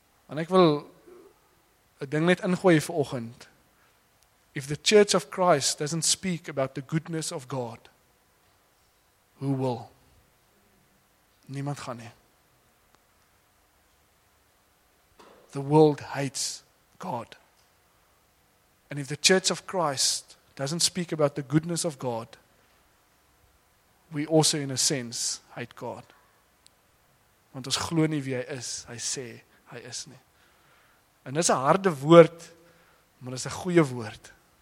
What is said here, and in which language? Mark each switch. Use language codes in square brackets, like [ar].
[af] En ek wil een ding net ingooi vir oggend. [en] If the Church of Christ doesn't speak about the goodness of God, who will? [af] Niemand gaan nie. [en] The world hates God. And if the Church of Christ doesn't speak about the goodness of God, we also in a sense hate God. [af] Want ons glo nie wie hy is, hy sê hy is nie. En dit is een harde woord, maar dit is een goeie woord.